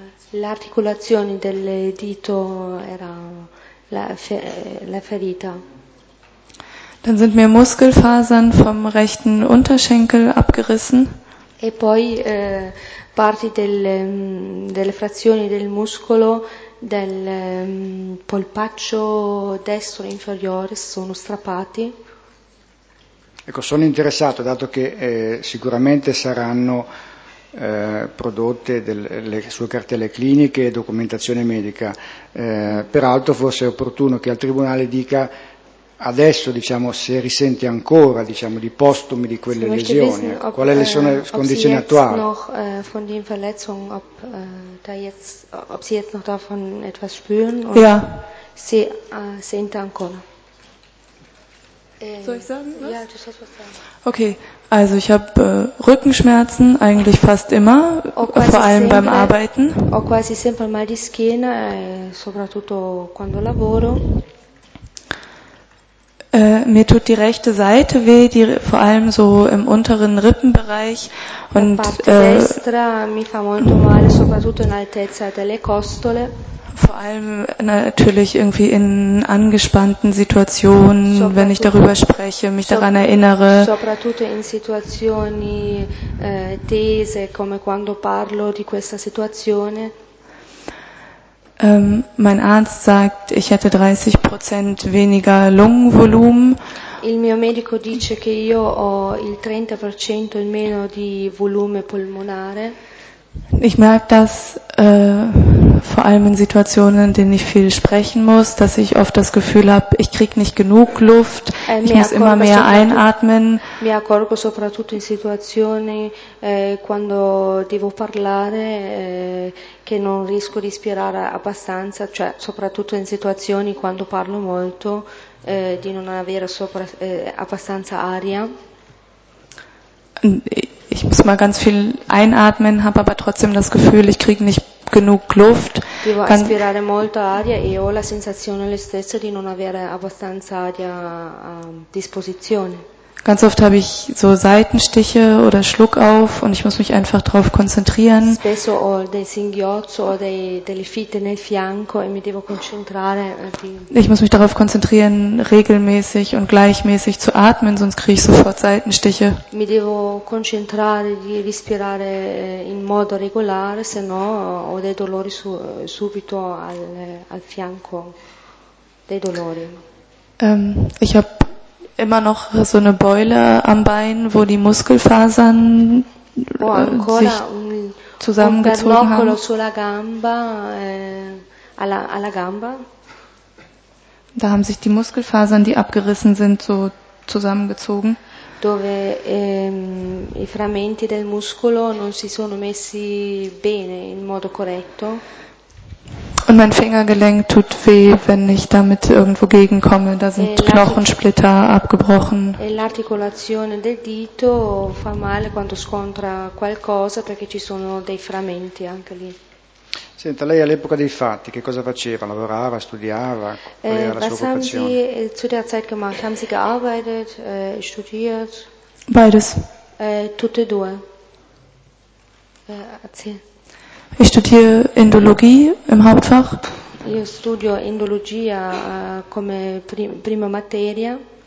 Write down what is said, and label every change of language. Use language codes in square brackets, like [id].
[it] L'articolazione del dito era la ferita. [de] Dann sind mir Muskelfasern vom rechten Unterschenkel abgerissen. [it] E poi parti delle frazioni del muscolo del polpaccio destro inferiore sono strappati. Ecco, sono interessato, dato che sicuramente saranno prodotte le sue cartelle cliniche e documentazione medica. Peraltro forse è opportuno che al Tribunale dica adesso, diciamo, se risente ancora, diciamo, di postumi di quelle lesioni, quali sono le condizioni attuali? [de] Noch von den Verletzungen, ob da jetzt, ob sie jetzt noch davon etwas spüren und ja. [it] Se sente ancora. [de] Soll ich sagen? Ja, du sollst was sagen. Okay, also ich habe Rückenschmerzen eigentlich fast immer, vor allem [it] sempre, [de] beim Arbeiten. [it] Ho quasi sempre mal di schiena, soprattutto quando lavoro. [de] Mir tut die rechte Seite weh, die, vor allem so im unteren Rippenbereich. Und, [it] destra mi fa molto male, soprattutto in altezza delle costole. [de] Vor allem natürlich irgendwie in angespannten Situationen, wenn ich darüber spreche, mich daran erinnere. [it] Soprattutto in situazioni tese, come quando parlo di questa situazione. [de] Mein Arzt sagt, ich hätte 30% weniger Lungenvolumen. [it] Il mio medico dice che io ho il 30% in meno di volume polmonare. [de] Ich merke das vor allem in Situationen, in denen ich viel sprechen muss, dass ich oft das Gefühl habe, ich kriege nicht genug Luft, ich muss immer mehr einatmen. [it] Mi accorgo soprattutto in situazioni quando devo parlare che non riesco a respirare abbastanza, cioè soprattutto in situazioni quando parlo molto di non avere abbastanza aria. [de] Ich muss mal ganz viel einatmen, habe aber trotzdem das Gefühl, ich kriege nicht genug Luft. [it] Devo aspirare molto aria e ho la sensazione lo stesso di non avere abbastanza aria a disposizione. [de] Ganz oft habe ich so Seitenstiche oder Schluckauf und ich muss mich einfach drauf konzentrieren. [it] Spesso ho dei singhiozzi o delle fitte nel fianco e mi devo concentrare. [de] Ich muss mich darauf konzentrieren, regelmäßig und gleichmäßig zu atmen, sonst kriege ich sofort Seitenstiche. [it] Mi devo concentrare di respirare in modo regolare, se no ho dei dolori subito al fianco, dei dolori. [de] Ich habe immer noch so eine Beule am Bein, wo die Muskelfasern sich zusammengezogen haben. [it] Sulla gamba, alla gamba. [de] Da haben sich die Muskelfasern, die abgerissen sind, so zusammengezogen. [it] Dove i frammenti del muscolo non si sono messi bene in modo corretto. [de] Und mein Fingergelenk tut weh, wenn ich damit irgendwo gegenkomme. Da sind Knochensplitter abgebrochen. [it] E l'articolazione del dito fa male quando scontra qualcosa, perché ci sono dei frammenti anche lì. Senta, lei all'epoca dei fatti, che cosa faceva? Lavorava, studiava? Qual era la sua occupazione? [de] Was haben Sie zu der Zeit gemacht? Haben Sie gearbeitet, studiert? Beides. [it] Tutte e due. [de] Ich studiere Indologie im Hauptfach. [it] Io studio Indologia come prima materia.